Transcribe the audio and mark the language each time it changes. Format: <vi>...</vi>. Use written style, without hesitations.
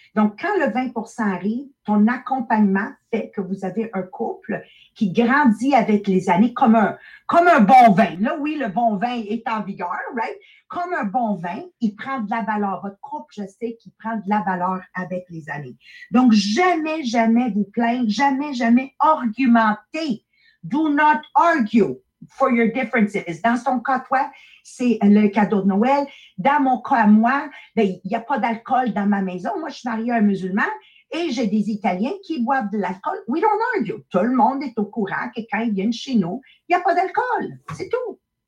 <fr>Donc, quand le 20 % arrive, ton accompagnement fait que vous avez un couple qui grandit avec les années comme un bon vin. Là, oui, le bon vin est en vigueur, right? Comme un bon vin, il prend de la valeur. Votre couple, je sais qu'il prend de la valeur avec les années. Donc, jamais, jamais vous plaindre, jamais, jamais argumenter.</fr> <en>Do not argue for your differences.</en> <fr>Dans son cas, toi, c'est le cadeau de Noël. Dans mon cas, moi, ben, il n'y a pas d'alcool dans ma maison. Moi, je suis mariée à un musulman et j'ai des Italiens qui boivent de l'alcool.</fr> <en>We don't argue.</en> <fr>Tout le monde est au courant que quand ils viennent chez nous, il n'y a pas d'alcool. C'est tout.</fr>